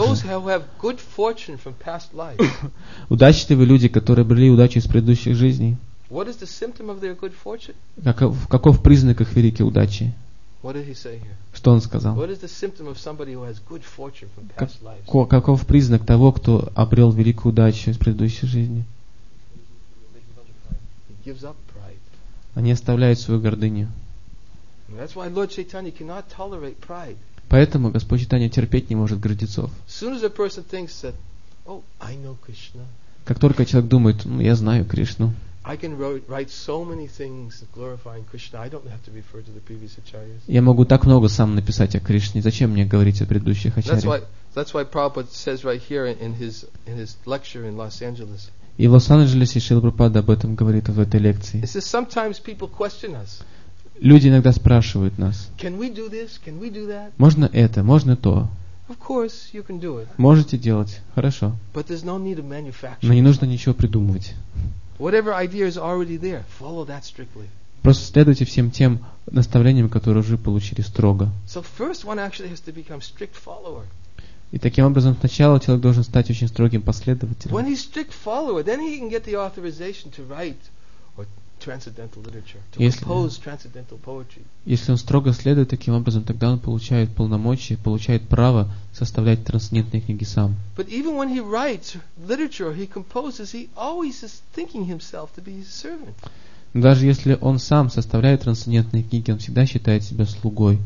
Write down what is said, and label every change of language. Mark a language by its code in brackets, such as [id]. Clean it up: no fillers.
[en] Those who have good fortune from past life. [ru] Удачливые люди, которые обрели удачу из предыдущих жизней. [en] What is the symptom of their good fortune? [ru] Каков признак их великой удачи? [en] What did he say here? [ru] Что он сказал? [en] What is the symptom of somebody who has good fortune from past life? [ru] Каков признак того, кто обрел великую удачу из предыдущей жизни? [en] He gives up pride. [ru] Они оставляют свою гордыню. [en] That's why Lord Chaitanya cannot tolerate pride. [ru] Поэтому Господь Чайтанья терпеть не может гордецов. [en] As soon as a person thinks that, oh, I know Krishna. [ru] Как только человек думает, ну я знаю Кришну. [en] I can write so many things glorifying Krishna. I don't have to refer to the previous acharyas. [ru] Я могу так много сам написать о Кришне. Зачем мне говорить о предыдущих ачарьях? [en] That's why Prabhupada says right here in his lecture in Los Angeles. [ru] И в Лос-Анджелесе Шрила Прабхупада об этом говорит в этой лекции. [en] He says sometimes people question us. [ru] Люди иногда спрашивают нас, [en] can we do this? Can we do that? [ru] Можно это, можно то. [en] Of course, you can do it. [ru] Можете делать, хорошо. [en] But there's no need to manufacture. [ru] Но не нужно ничего придумывать. [en] Whatever idea is already there, follow that strictly. [ru] Просто следуйте всем тем наставлениям, которые уже получили строго. [en] So first one actually has to become strict follower. [ru] И таким образом сначала человек должен стать очень строгим последователем. [en] When he's strict follower, then he can get the authorization to write transcendental literature, to compose transcendental poetry. [ru] Если он строго следует таким образом, тогда он получает полномочия, получает право составлять трансцендентные книги сам. [en] But even when he writes literature, he composes, he always is thinking himself to be his servant. [ru] Даже если он сам составляет трансцендентные книги, он всегда считает себя слугой.